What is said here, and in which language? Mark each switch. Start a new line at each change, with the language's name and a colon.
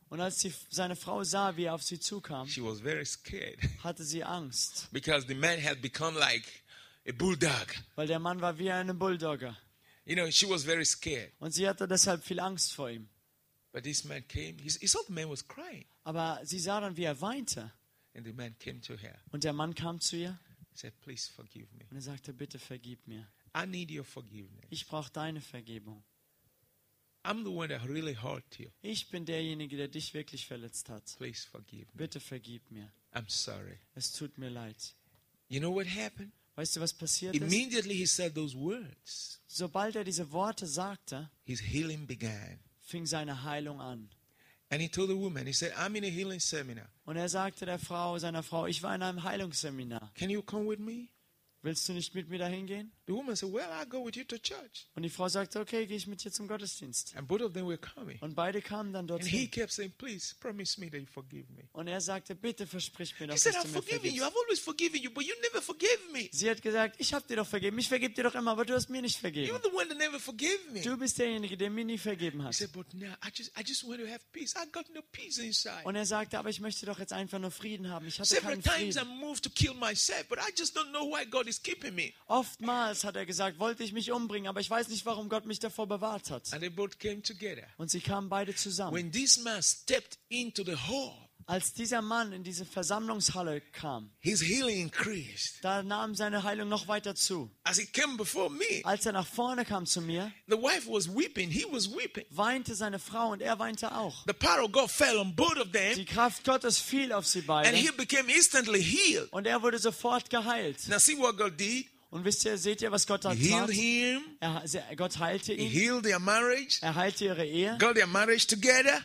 German: Und als sie seine Frau sah, wie er auf sie zukam,
English: she was very scared.
German: Hatte sie Angst.
English: Because the man had become like a bulldog.
German: Weil der Mann war wie ein Bulldogger.
English: You know, she was very scared.
German: Und sie hatte deshalb viel Angst vor ihm.
English: But this man came. He saw the man was crying.
German: Aber sie sah dann, wie er weinte.
English: And the man came to her.
German: Und der Mann kam zu ihr.
English: He said, "Please forgive me."
German: Und er sagte, bitte vergib mir.
English: I need your forgiveness.
German: Ich brauche deine Vergebung.
English: I'm the one that really hurt you.
German: Ich bin derjenige, der dich wirklich verletzt hat.
English: Please forgive me.
German: Bitte vergib mir.
English: I'm sorry.
German: Es tut mir leid.
English: You know what happened?
German: Weißt du, was passiert ist?
English: Immediately he said those words.
German: Sobald er diese Worte sagte,
English: his healing began.
German: Fing seine Heilung an.
English: And he told the woman, he said, I'm in a healing seminar.
German: Und er sagte der Frau, seiner Frau, ich war in einem Heilungsseminar.
English: Can you come with me?
German: Willst du nicht mit mir dahin gehen?
English: The woman said, well, I'll go with you to church.
German: Und die Frau sagte, okay, gehe ich mit dir zum Gottesdienst.
English: And both of them were coming.
German: Und beide kamen dann dorthin.
English: And he kept saying, please promise me that you forgive me.
German: Und er sagte, bitte versprich mir, dass du mir vergibst.
English: He said, I've forgiven you. I've always forgiven you, but you never forgave me.
German: Sie hat gesagt, ich habe dir doch vergeben. Ich vergib dir doch immer, aber du hast mir nicht vergeben.
English: You're the one that never forgave me.
German: Du bist derjenige, der mir nie vergeben hat.
English: He said, but now I just want to have peace. I got no peace inside.
German: Und er sagte, aber ich möchte doch jetzt einfach nur Frieden haben. Ich hatte keinen Frieden.
English: Several times I moved to kill myself, but I just don't know why God is keeping me.
German: Oftmals hat er gesagt, wollte ich mich umbringen, aber ich weiß nicht, warum Gott mich davor bewahrt hat.
English: And they both came together.
German: Und sie kamen beide zusammen.
English: When this man stepped into the hall,
German: als dieser Mann in diese Versammlungshalle kam,
English: his healing increased.
German: Da nahm seine Heilung noch weiter zu.
English: As he came before me,
German: als er nach vorne kam zu mir,
English: the wife was weeping, he was weeping.
German: Weinte seine Frau und er weinte auch.
English: The power of God fell on both of them,
German: die Kraft Gottes fiel auf sie beide.
English: And he became instantly healed.
German: Und er wurde sofort geheilt.
English: Now see what God did.
German: Und wisst ihr, seht ihr, was Gott da tat?
English: He healed him.
German: Gott heilte ihn.
English: He healed their marriage.
German: Er heilte ihre Ehe.
English: Got their marriage together.